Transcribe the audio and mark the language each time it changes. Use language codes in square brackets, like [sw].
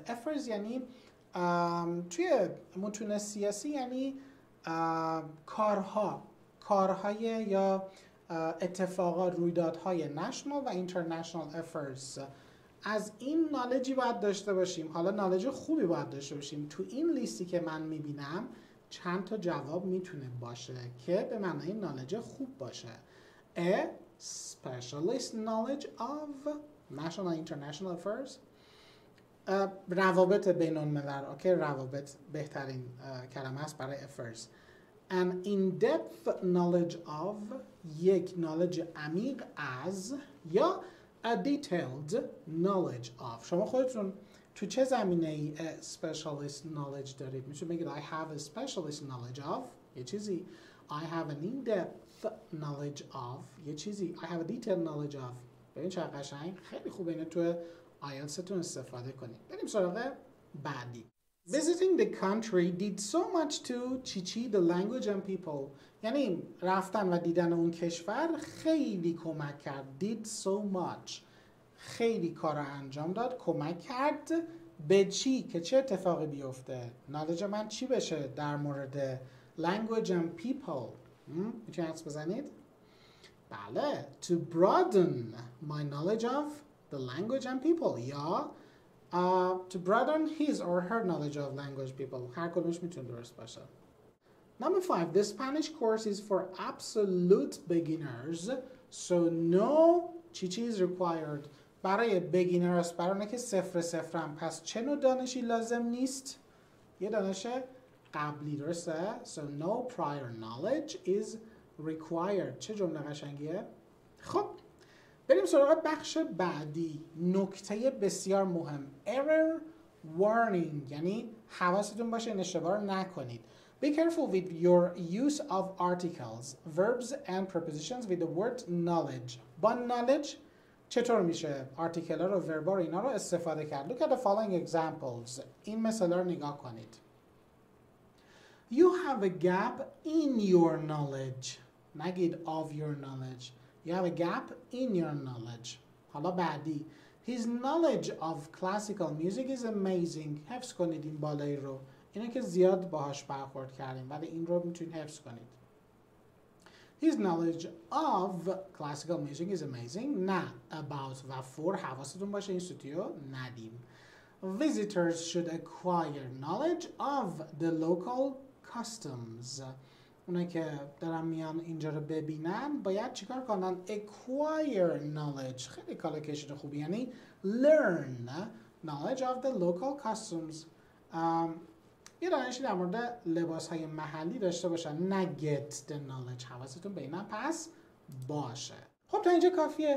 [fa] affairs یعنی توی متون سیاسی یعنی کارها، کارهای یا اتفاقات، رویدادهای نشنال و اینترنشنال افرز. از این نالجی باید داشته باشیم، حالا نالج خوبی باید داشته باشیم. تو این لیستی که من میبینم چند تا جواب میتونه باشه که به معنی نالج خوب باشه. [en] A specialist knowledge of national and international affairs. [fa] روابط بین الملل. اوکی، روابط بهترین کلمه است برای افرز. [en] An in-depth knowledge of، [fa] یک knowledge عمیق از، یا [en] a detailed knowledge of. [fa] شما خودتون تو چه زمینه ای [en] a specialist knowledge [fa] دارید؟ میشون بگید [en] I have a specialist knowledge of [fa] یه چیزی، [en] I have an in-depth knowledge of یه چیزی، I have a detailed knowledge of. [fa] ببین چه قشنگ، خیلی خوب اینه تو آیلتستون استفاده کنید. بریم سراغ بعدی. [en] Visiting the country did so much to teach the language and people. [fa] یعنی رفتن و دیدن اون کشور خیلی کمک کرد. [en] Did so much. [fa] خیلی کار انجام داد. کمک کرد به چی؟ که چه اتفاقی بیفته؟ knowledge من چی بشه در مورد [en] language and people؟ [fa] میتونی حدس بزنید؟ بله. [en] To broaden my knowledge of the language and people. یا to broaden his or her knowledge of language people. [fa] هر کدومش میتونه درست باشه. [en] Number 5. The Spanish course is for absolute beginners. So no چیچی is required. [fa] برای beginner است، برای اونکه صفر صفرم. پس چه نوع دانشی لازم نیست؟ یه دانش قبلی، درسته؟ [en] So no prior knowledge is required. [fa] چه جمله قشنگیه؟ خب بریم سراغ بخش بعدی. نکته بسیار مهم، error warning، یعنی حواستون باشه این اشتباه رو نکنید. [en] Be careful with your use of articles, verbs and prepositions with the word knowledge. [fa] با knowledge چطور میشه آرتیکل ها رو، ورب ها رو، اینا رو استفاده کرد؟ [en] Look at the following examples. [fa] این مثال رو نگاه کنید. [en] You have a gap in your knowledge. [fa] نگید [en] of your knowledge. You have a gap in your knowledge. [fa] حالا بعدی. [en] His knowledge of classical music is amazing. [fa] حفظ کنید این بالایی رو. اینا که زیاد باهاش برخورد کردیم، ولی این رو میتونید حفظ کنید. [en] His knowledge of classical music is amazing. [fa] نه about و for، حواستون باشه این استودیو ندیم. [en] Visitors should acquire knowledge of the local customs. [fa] اونه که دارم میان اینجا رو ببینن باید چیکار کنن؟ [en] acquire knowledge، [fa] خیلی کالکشن خوبی، یعنی [en] learn knowledge of the local customs. [fa] یه دانشی در مورد لباس های محلی داشته باشن، نه [en] get the knowledge. [fa] حواستون به اینم پس باشه. خب تا اینجا کافیه.